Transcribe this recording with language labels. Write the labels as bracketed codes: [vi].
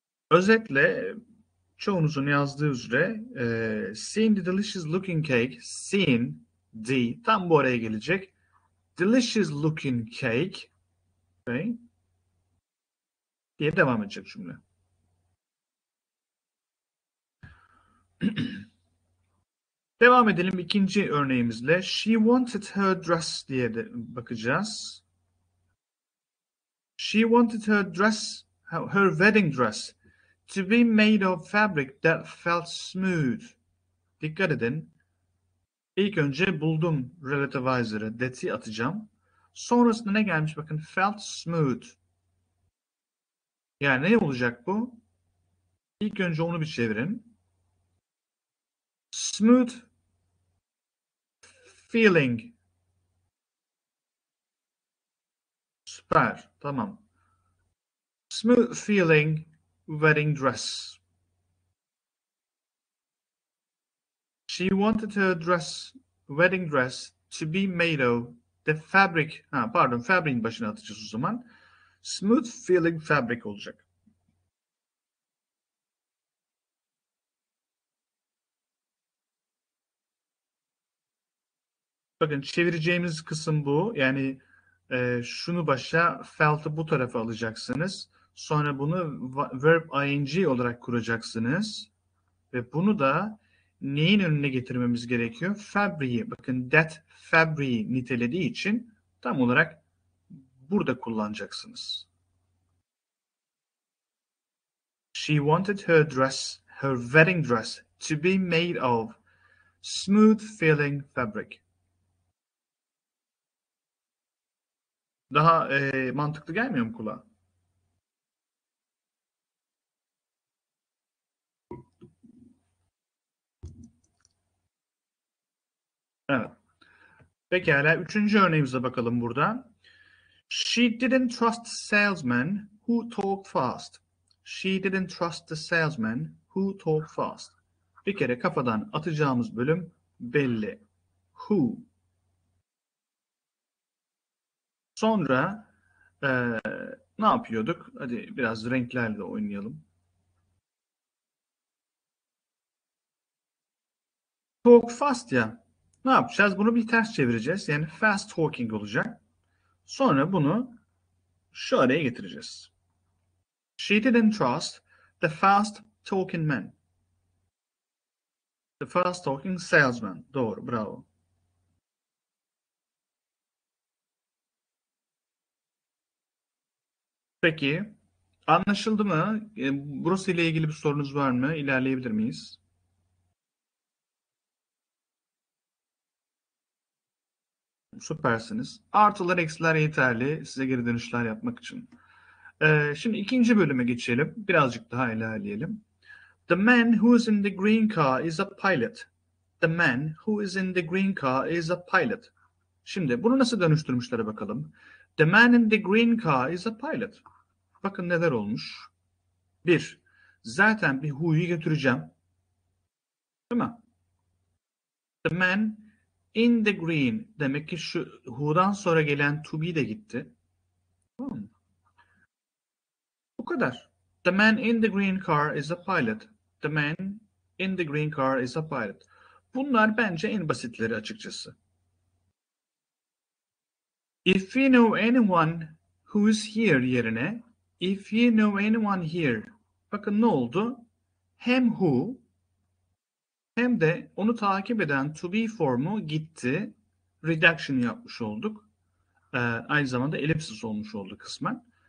[tr] Özetle çoğunuzun yazdığı üzere [en] seeing the delicious looking cake, seeing the, [tr] tam bu araya gelecek, [en] delicious looking cake, okay, [tr] diye devam edecek cümle. Devam edelim ikinci örneğimizle. [en] She wanted her dress [tr] diye de bakacağız. [en] She wanted her dress, her wedding dress, to be made of fabric that felt smooth. [tr] Dikkat edin. İlk önce buldum relativizer'ı, that'i atacağım. Sonrasında ne gelmiş bakın? Felt smooth. Yani ne olacak bu? İlk önce onu bir çevirin. [en] Smooth feeling. [tr] Süper. Tamam. [en] Smooth feeling wedding dress. She wanted her dress, wedding dress, to be made of the fabric. [tr] Pardon, fabric'in başına atacağız o zaman. [en] Smooth feeling fabric [tr] olacak. Bakın çevireceğimiz kısım bu. Yani şunu başa, felt'ı bu tarafa alacaksınız. Sonra bunu verb ing olarak kuracaksınız. Ve bunu da neyin önüne getirmemiz gerekiyor? Fabric'i. Bakın that fabric'i nitelediği için tam olarak burada kullanacaksınız. [en] She wanted her dress, her wedding dress, to be made of smooth feeling fabric. [tr] Daha mantıklı gelmiyor mu kulağa? Evet. Pekala, üçüncü örneğimize bakalım burada. [en] She didn't trust the salesman who talked fast. She didn't trust the salesman who talked fast. [tr] Bir kere kafadan atacağımız bölüm belli. Who. Sonra ne yapıyorduk? Hadi biraz renklerle oynayalım. Talk fast ya. Ne yapacağız? Bunu bir ters çevireceğiz. Yani [en] fast talking [tr] olacak. Sonra bunu şu araya getireceğiz. [en] She didn't trust the fast talking man. The fast talking salesman. [tr] Doğru, [en] bravo. [tr] Peki, anlaşıldı mı? Burası ile ilgili bir sorunuz var mı? İlerleyebilir miyiz? Süpersiniz. Artılar eksiler yeterli size geri dönüşler yapmak için. Şimdi ikinci bölüme geçelim. Birazcık daha ilerleyelim. [en] The man who is in the green car is a pilot. The man who is in the green car is a pilot. [tr] Şimdi bunu nasıl dönüştürmüşlere bakalım. [en] The man in the green car is a pilot. [tr] Bakın neler olmuş. Bir, zaten bir who'yu götüreceğim. Değil mi? [en] The man in the green. [tr] Demek ki şu who'dan sonra gelen to be de gitti. Bu kadar. [en] The man in the green car is a pilot. The man in the green car is a pilot. [tr] Bunlar bence en basitleri açıkçası. [en] If you know anyone who is here [tr] yerine [en] if you know anyone here. [tr] Bakın ne oldu? Hem who hem de onu takip eden to be formu gitti. Reduction yapmış olduk. Aynı zamanda elipsis olmuş oldu kısmen.